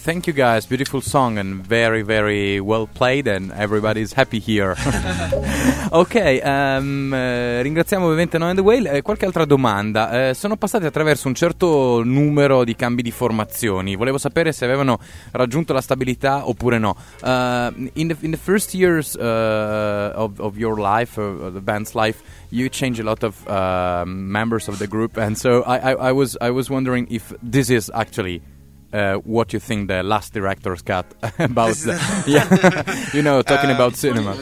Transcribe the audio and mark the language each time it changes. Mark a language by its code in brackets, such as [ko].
[en] Thank you guys, beautiful song and very very well played and everybody is happy here. [it] Ok, ringraziamo ovviamente Noah and the Whale. Qualche altra domanda, sono passati attraverso un certo numero di cambi di formazioni, volevo sapere se avevano raggiunto la stabilità oppure no. [en] In the first years of your life, the band's life, you change a lot of members of the group, and so I was wondering if this is actually what you think the last director's cut about the, yeah, you know, talking about cinema.